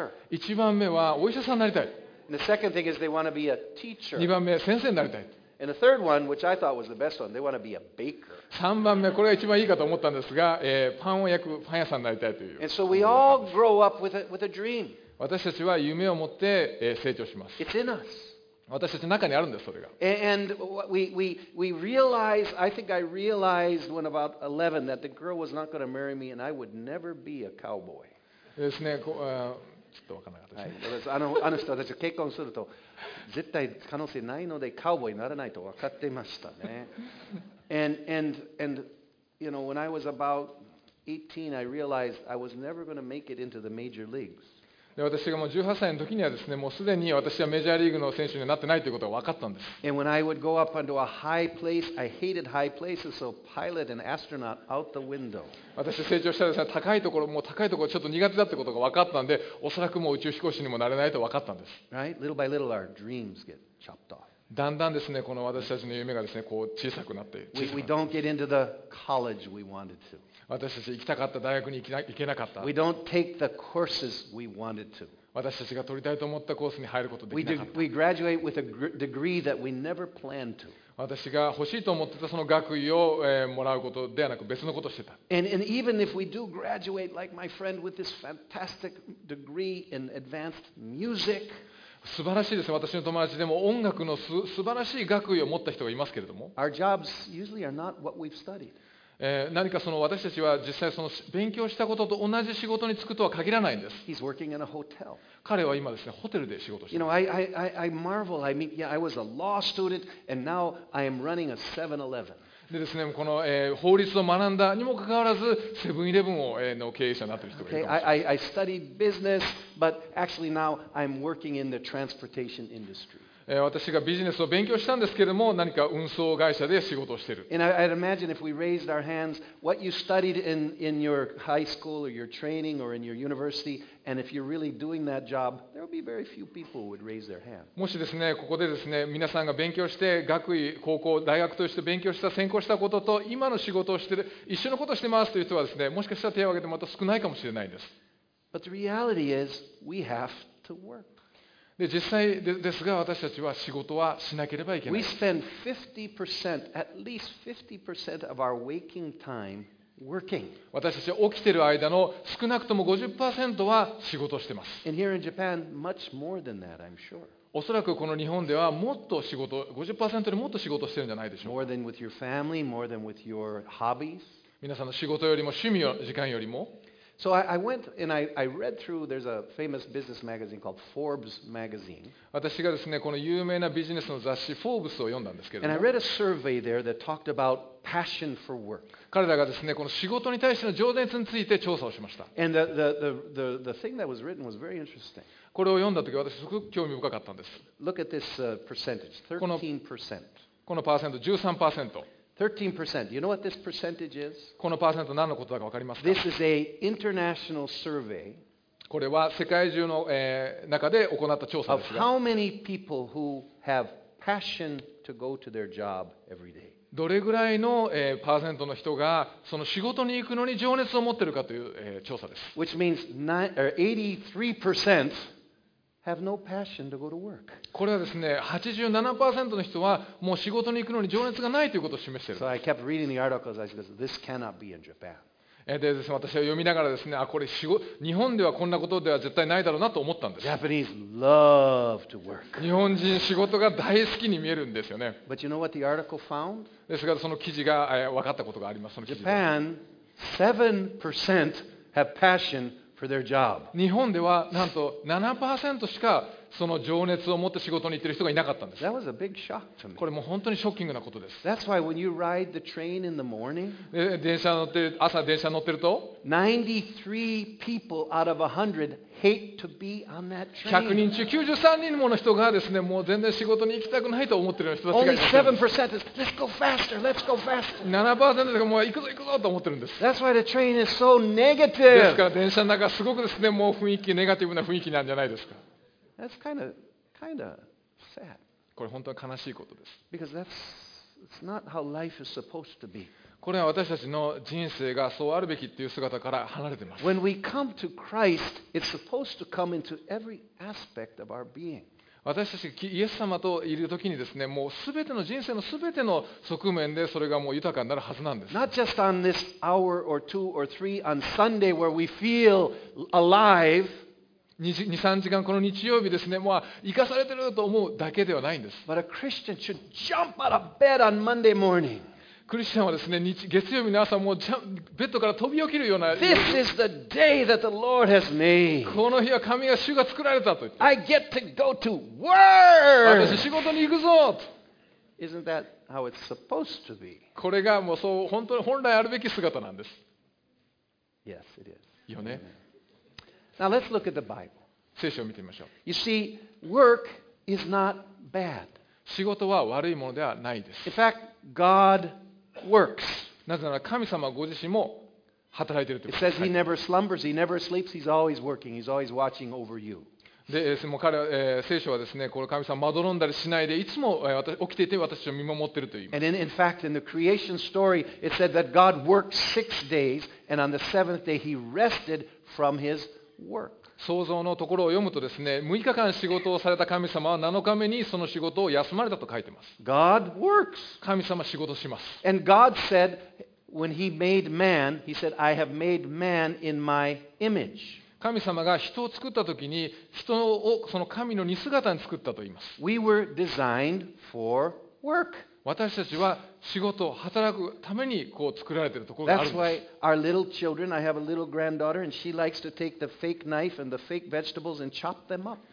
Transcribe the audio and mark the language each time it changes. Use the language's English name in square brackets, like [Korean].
[Japanese] 一番目はお医者さんになりたい。 [English] And the second thing is they want to be a teacher. [Japanese] 二番目は先生になりたい。 [English] And the third one, which I thought was the best one, they want to be a baker. [Japanese] 3番目、これが一番いいかと思ったんですが、パンを焼くパン屋さんになりたいという。 [English] And so we all grow up with a dream. [Japanese] 私たちは夢を持って成長します。 [English] It's in us. [Japanese] 私たちの中にあるんです、それが。 [English] And we realize, I think I realized when about 11 that the girl was not going to marry me and I would never be a cowboy. [Japanese] ですね、ちょっとわからなかったですね。はい、あの人たち結婚すると絶対可能性ないのでカウボーイにならないと分かってましたね。 [English] and you know when I was about 18 I realized I was never going to make it into the major leagues。 [Japanese] で私がもう18歳の時にはですね、もうすでに私はメジャーリーグの選手になってないということが分かったんです。 [English] And when I would go up onto a high place, I hated high places, so pilot and astronaut out the window. [Japanese] 私成長したらですね、高いところちょっと苦手だってことが分かったんで、おそらくもう宇宙飛行士にもなれないと分かったんです。 [English] Right? Little by little, our dreams get chopped off. [Japanese] だんだんですね、この私たちの夢がですね、こう小さくなって。 [English] We don't get into the college we wanted to. [Japanese] 私たち行きたかった大学に行けなかった。 [English] We don't take the courses we wanted to. [Japanese] 私たちが取りたいと思ったコースに入ることができなかった。 [English] We graduate with a degree that we never planned to. [Japanese] 私が欲しいと思ってたその学位を、もらうことではなく別のことをしてた。 [English] And even if we do graduate like my friend with this fantastic degree in advanced music. [Japanese] 素晴らしいですね。私の友達でも音楽の素晴らしい学位を持った人がいますけれども。 [English] Our jobs usually are not what we've studied. [Japanese] 何かその私たちは実際その勉強したことと同じ仕事に就くとは限らないんです。 [English] He's working in a hotel. [Japanese] 彼は今ですねホテルで仕事して [English] る。 You know, I marvel. I mean, yeah, I was a law student and now I am running a 7-Eleven. [Japanese] でですね、この、法律を学んだにもかかわらずセブンイレブンを、の経営者になっている人がいるかもしれない。 [English] Okay, I studied business, but actually now I'm working in the transportation industry. [Japanese] 私がビジネスを勉強したんですけれども、何か運送会社で仕事をしている。 [English] And I'd imagine if we raised our hands, what you studied in your high school or your training or in your university, and if you're really doing that job, there would be very few people would raise their hand. [Japanese] もしですね、ここでですね、皆さんが勉強して学位、高校、大学として勉強した、専攻したことと今の仕事をしている、一緒のことをしてますという人はですね、もしかしたら手を挙げてもまた少ないかもしれないです。 [English] But the reality is, we have to work. [Japanese] で実際ですが私たちは仕事はしなければいけない。 [English] We spend 50%, at least 50% of our waking time working. [Japanese] 私たちは起きている間の少なくとも 50% は仕事をしています。 [English] And here in Japan, much more than that, I'm sure. [Japanese] おそらくこの日本ではもっと仕事、50% でもっと仕事をしているんじゃないでしょうか。 [English] More than with your family, more than with your hobbies. [Japanese] 皆さんの仕事よりも趣味の時間よりも。 [English] So I went and I read through. There's a famous business magazine called Forbes magazine. [Japanese] 私がですね、この有名なビジネスの雑誌 Forbes を読んだんですけれども。 [English] And I read a survey there that talked about passion for work. [Japanese] 彼らがですね、この仕事に対しての情熱について調査をしました。 [English] And the thing that was written was very interesting. [Japanese] これを読んだ時、私すごく興味深かったんです。 [English] Look at this percentage, 13%. [Japanese] このパーセント 13%。 [English] 13%. You know what this percentage is? [Japanese] このパーセント何のことだか分かりますか? [English] This is a international survey. [Japanese] これは世界中の、中で行った調査ですが。 [English] Of how many people who have passion to go to their job every day? [Japanese] どれぐらいの、パーセントの人がその仕事に行くのに情熱を持っているかという、調査です。 [English] Which means 83% have no passion to go to work. [Japanese] これはですね、87% の人はもう仕事に行くのに情熱がないということを示している。 [English] So I kept reading the articles. I said, this cannot be in Japan. [Japanese] でですね、私は読みながらですね、あ、これ仕事、日本ではこんなことでは絶対ないだろうなと思ったんです。 [English] Japanese love to work. [Japanese] 日本人仕事が大好きに見えるんですよね。 [English] But you know what the article found? [Japanese] ですが、その記事が、分かったことがあります。その記事で。 [English] Japan, 7% have passion for their job. [Japanese] 日本ではなんと 7% しかその情熱を持って仕事に行っている人がいなかったんです。 [English] That was a big shock to me. [Japanese] これも本当にショッキングなことです。 [English] That's why when you ride the train in the morning, [Japanese] 電車乗って朝電車乗ってると、 [English] 93 people out of 100 hate to be on that train. [Japanese] 100人中93人もの人がですね、もう全然仕事に行きたくないと思っている人たちがいる。 [English] Only 7% is, let's go faster, let's go faster. [Japanese] 7% がもう行くぞ行くぞと思ってるんです。 [English] That's why the train is so negative. [Japanese] ですから電車の中すごくですね、もう雰囲気ネガティブな雰囲気なんじゃないですか。 [English] That's kind of sad. [Japanese] これ本当に悲しいことです。 [English] Because it's not how life is supposed to be. [Japanese] これは私たちの人生がそうあるべきっていう姿から離れてます。 [English] When we come to Christ, it's supposed to come into every aspect of our being. [Japanese] 私たちがイエス様といるときにですね、もうすべての人生のすべての側面でそれがもう豊かになるはずなんです。 [English] Not just on this hour or two or three on Sunday where we feel alive. [Japanese] 2,3 時間この日曜日ですね、もう生かされてると思うだけではないんです。 [English] But a Christian should jump out of bed on Monday morning. [Japanese] クリスチャンはですね、月曜日の朝もうベッドから飛び起きるような。 [English] This is the day that the Lord has made. [Japanese] この日は神が主が作られたと言って。 [English] I get to go to work. [Japanese] 私仕事に行くぞと。 [English] Isn't that how it's supposed to be? [Japanese] これがもうそう本当に本来あるべき姿なんです。 [English] Yes, it is. [Japanese] よね。 [English] Now let's look at the Bible. [Japanese] 聖書を見てみましょう。 [English] You see, work is not bad. [Japanese] 仕事は悪いものではないです。 [English] In fact, God works. [Japanese] なぜなら神様ご自身も働いているということです。 [English] It says He never slumbers, He never sleeps, He's always working, He's always watching over you. [Japanese] で、もう彼は、聖書はですね、この神様まどろんだりしないで、いつも、起きていて私を見守っていると言います。 [English] And in fact, in the creation story, it said that God worked six days, and on the seventh day He rested from His work. [Japanese] 創造のところを読むとですね、6日間仕事をされた神様は7日目にその仕事を休まれたと書いてます。 [English] God works. [Japanese] 神様仕事します。 [English] And God said, when He made man, He said, I have made man in my image. [Japanese] 神様が人を作ったときに、人をその神の似姿に作ったと言います。 [English] We were designed for work. [Japanese] 私たちは仕事を働くためにこう作られているところがあるんです。 [English] That's why our little children, I have a little granddaughter, and she likes to take the fake knife and the fake vegetables and chop them up.